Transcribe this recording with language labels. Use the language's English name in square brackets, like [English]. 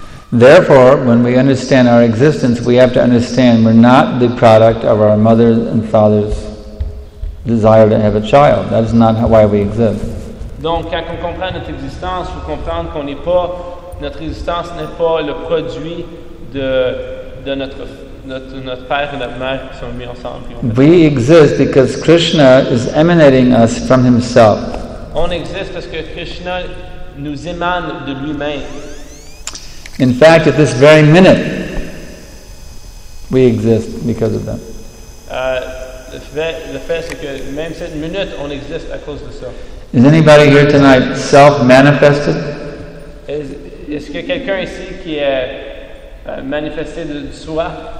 [English] Therefore, when we understand our existence, we have to understand we're not the product of our mother and father's desire to have a child. That is not why we exist. [French] Donc, quand on comprend notre existence, faut comprendre qu'on n'est pas notre existence n'est pas le produit de notre père et notre mère qui sont mis ensemble. [English] We exist because Krishna is emanating us from himself. [French] On existe parce que Krishna nous émane de lui-même. [English] In fact, at this very minute, We exist because of them. [French] Le fait c'est que même cette minute, on existe à cause de ça. [English] Is anybody here tonight self-manifested? [French] Est-ce que quelqu'un ici qui est manifesté de soi?